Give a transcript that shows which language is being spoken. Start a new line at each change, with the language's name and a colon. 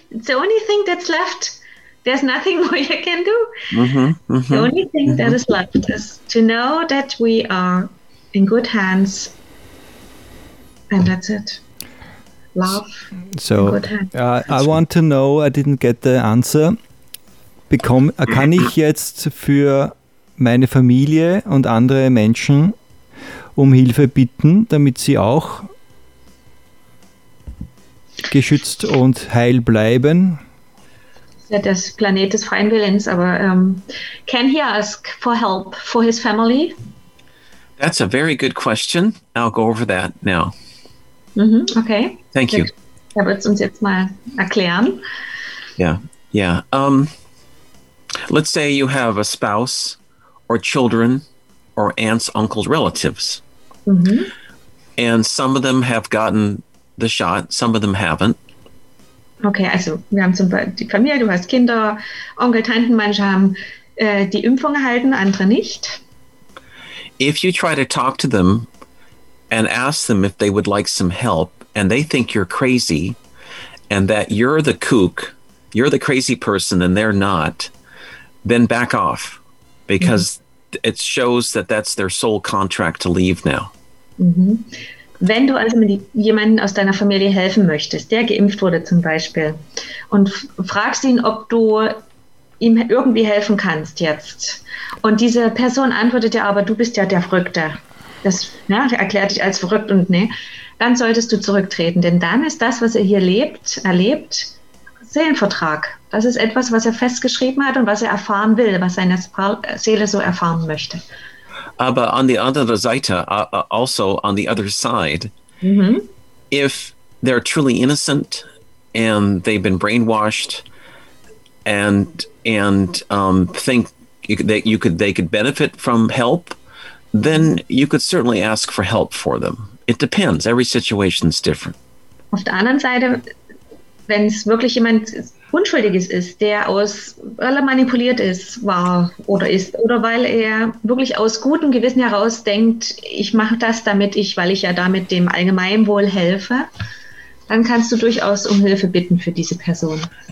English: It's the only thing that's left. There's nothing more you can do. Mm-hmm, mm-hmm, the only thing mm-hmm. that is left is to know that we are in good hands. And that's it. Love. So good hands. I want to know, I didn't get the answer.
German: Kann ich jetzt für meine Familie und andere Menschen um Hilfe bitten, damit sie auch geschützt und heil bleiben? Ja, das Planet des freien Willens, aber
English: can he ask for help for his family? That's a very good question. I'll go over that now. Mm-hmm. Okay. Thank you.
German: Er wird es uns jetzt mal erklären.
English: Yeah, yeah. Let's say you have a spouse or children or aunts, uncles, relatives. Mm-hmm. And some of them have gotten the shot, some of them haven't.
German: Okay, also wir haben zum Beispiel die Familie, du hast Kinder, Onkel, Tanten, manche haben die Impfung erhalten, andere nicht.
English: If you try to talk to them and ask them if they would like some help and they think you're crazy and that you're the kook, you're the crazy person and they're not, then back off, because mm-hmm. it shows that that's their soul contract to leave now. Mm-hmm.
German: Wenn du also jemanden aus deiner Familie helfen möchtest, der geimpft wurde zum Beispiel, und fragst ihn, ob du ihm irgendwie helfen kannst jetzt, und diese Person antwortet dir aber, du bist ja der Verrückte, das ja, erklärt dich als verrückt und ne, dann solltest du zurücktreten, denn dann ist das, was er hier erlebt, Seelenvertrag. Das ist etwas, was er festgeschrieben hat und was er erfahren will, was seine Seele so erfahren möchte.
English: But on the other side, also on the other side, mm-hmm. if they're truly innocent and they've been brainwashed and think that they could benefit from help, then you could certainly ask for help for them. It depends. Every situation is different.
German: Auf der anderen Seite, wenn es wirklich jemand Unschuldiges ist, der aus, weil er manipuliert ist, war oder ist, oder weil er wirklich aus gutem Gewissen heraus denkt, ich mache das damit, weil ich ja damit dem Allgemeinwohl helfe, dann kannst du durchaus um Hilfe bitten für diese Person.